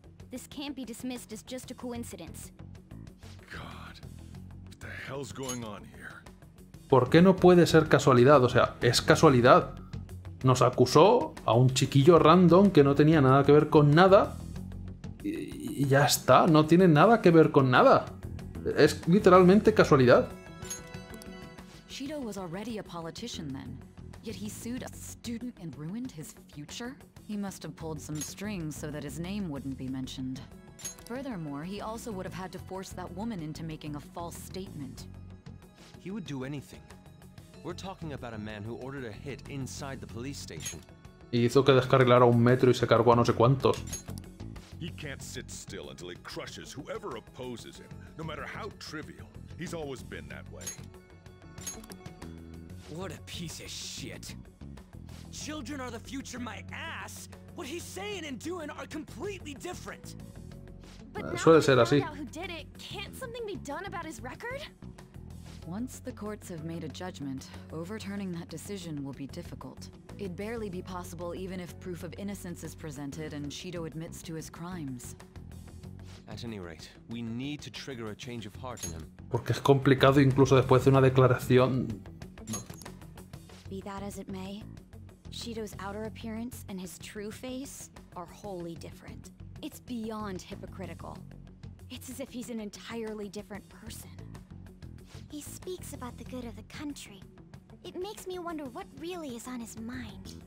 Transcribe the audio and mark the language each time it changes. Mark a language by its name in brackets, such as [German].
[English] This can't be dismissed as just a coincidence. God, what the hell's going on here? [Spanish] ¿Por qué no puede ser casualidad? O sea, es casualidad. Nos acusó a un chiquillo random que no tenía nada que ver con nada. Y ya está, no tiene nada que ver con nada. Es literalmente casualidad. [English] Shido was already a politician then. Yet he sued a student and ruined his future. He must have pulled some strings so that his name wouldn't be mentioned. Furthermore, he also would have had to force that woman into making a false statement. He would do anything. We're talking about a man who ordered a hit inside the police station. [Spanish] Y hizo que descarrilara un metro y se cargó a no sé cuántos. [English] He can't sit still until he crushes whoever opposes him, no matter how trivial. He's always been that way. What a piece of shit. Children are the future, my ass. What he's saying and doing are completely different. [Spanish] Suele ser así. [English] Who did it? Can't something be done about his record? Once the courts have made a judgment, overturning that decision will be difficult. It'd barely be possible even if proof of innocence is presented and Shido admits to his crimes. At any rate, we need to trigger a change of heart in him. [Spanish] Porque es complicado incluso después de una declaración. [English] Be that as it may. Shido's outer appearance and his true face are wholly different. It's beyond hypocritical. It's as if he's an entirely different person. He speaks about the good of the country. It makes me wonder what really is on his mind.